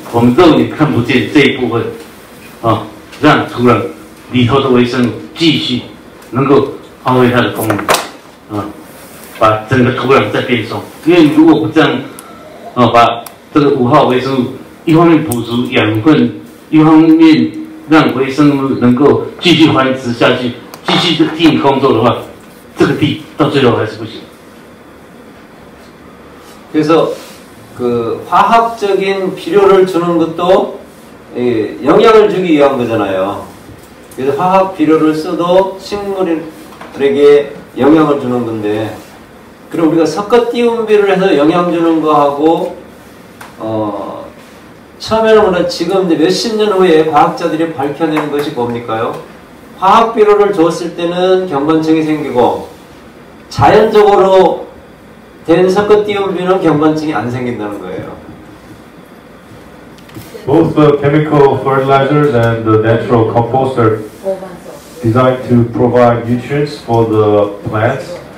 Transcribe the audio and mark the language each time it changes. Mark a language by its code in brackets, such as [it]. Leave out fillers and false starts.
[zh] 我们肉眼看不见这一部分，啊，让土壤里头的微生物继续能够发挥它的功能，啊，把整个土壤再变松。因为如果不这样，啊，把这个五号微生物一方面补足养分，一方面让微生物能够继续繁殖下去，继续进行工作的话，这个地到最后还是不行。 [ko] 그래서 그 화학적인 비료를 주는 것도 영양을 주기 위한 거잖아요. 그래서 화학 비료를 써도 식물들에게 영양을 주는 건데, 그럼 우리가 석가띠온비를 해서 영양 주는 거하고 처음에는 우리가 지금 이제 몇십 년 후에 과학자들이 밝혀낸 것이 뭡니까요? 화학 비료를 줬을 때는 경건증이 생기고 자연적으로 된 석가띠온비는 경건증이 안 생긴다는 거예요. [en] Both the chemical fertilizers and the natural compost are designed to provide nutrients for the plants.